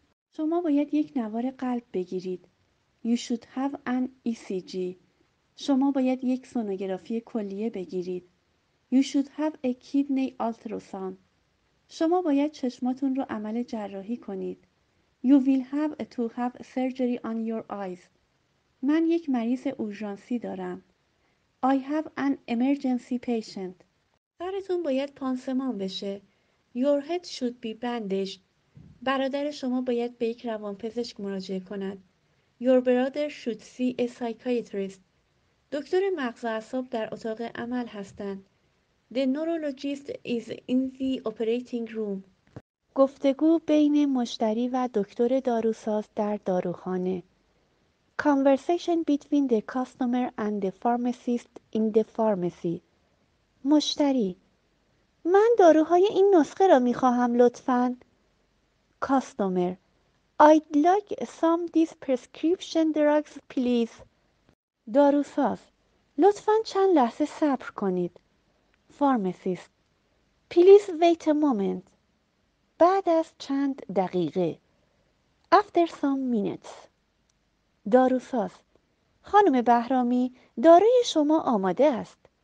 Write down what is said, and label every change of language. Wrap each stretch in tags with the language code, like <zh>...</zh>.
<fa>شما باید یک نوار قلب بگیرید.</fa> <en>You should have an ECG.</en> <fa>شما باید یک سونوگرافی کلیه بگیرید.</fa> <en>You should have a kidney ultrasound.</en> <fa>شما باید چشماتون رو عمل جراحی کنید.</fa> <en>You will have to have surgery on your eyes.</en> <fa>من یک مریض اورژانسی دارم.</fa> <en>I have an emergency patient.</en> <fa>سرتون باید پانسمان بشه.</fa> <en>Your head should be bandaged.</en> <fa>برادر شما باید به یک روانپزشک مراجعه کند.</fa> <en>Your brother should see a psychiatrist.</en> <fa>دکتر مغز و اعصاب در اتاق عمل هستند.</fa> <en>The neurologist is in the operating room.</en> <fa>گفتگو بین مشتری و دکتر داروساز در داروخانه.</fa> <en>Conversation between the customer and the pharmacist in the pharmacy.</en> <fa>مشتری: من داروهای این نسخه را می خواهم لطفاً.</fa> <en>Customer: I'd like some this prescription drugs please.</en> <fa>داروساز: لطفاً چند لحظه صبر کنید.</fa> <en>Pharmacist: Please wait a moment.</en> <fa>بعد از چند دقیقه.</fa> <en>After some minutes.</en> <fa>داروساز: خانم بهرامی، داروی شما آماده است.</fa>